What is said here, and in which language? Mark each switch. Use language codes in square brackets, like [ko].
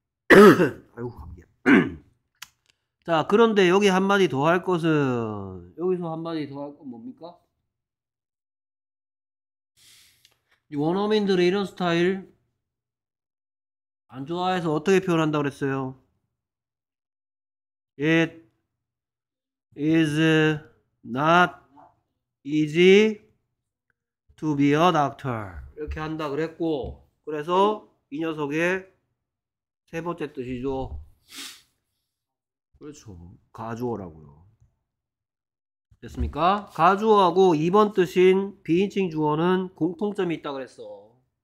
[ko] 아이고, 감기야. 자, 그런데 여기 한마디 더할 것은, 여기서 한마디 더할건 뭡니까? 원어민들의 이런 스타일, 안 좋아해서 어떻게 표현한다고 그랬어요? [en] It is not easy to be a doctor. [ko] 이렇게 한다 그랬고, 그래서 이 녀석의 세 번째 뜻이죠. 그렇죠. 가주어라고요. 됐습니까? 가주어하고 2번 뜻인 비인칭 주어는 공통점이 있다고 그랬어.